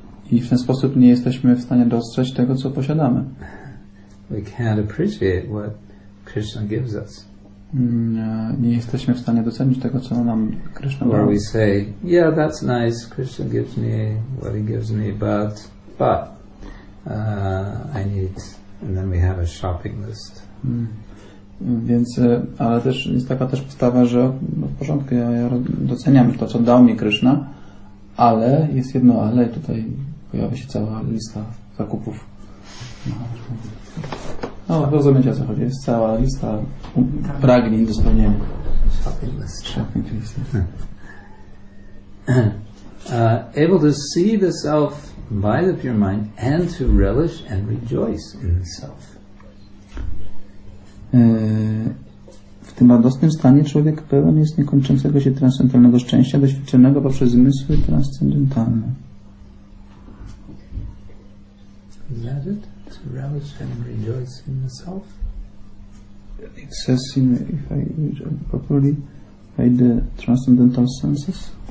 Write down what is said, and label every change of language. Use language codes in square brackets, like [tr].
[pl] I w ten sposób nie jesteśmy w stanie dostrzec tego, co posiadamy. [en] We can't appreciate what Krishna gives us. [pl] Nie jesteśmy w stanie docenić tego, co nam Krishna daje. [en] Or we say, yeah, that's nice, Krishna gives me what he gives me, but. I need, and then we have a shopping list. [pl] Więc, ale też jest taka też postawa, że w porządku, ja doceniam to, co dał mi Krishna, ale jest jedno ale, tutaj pojawia się cała lista zakupów. No rozumiecie, o co chodzi, jest cała lista pragnień do spełnienia. [en] Shopping list. Shopping list. Able to see the self by the pure mind and to relish and rejoice in the self. [pl] W tym radosnym stanie człowiek pełen jest niekończącego się transcendentalnego szczęścia doświadczonego poprzez zmysły transcendentalne. [en] that it? To relish and rejoice in the self? It says in, if I read it properly, by the transcendental senses.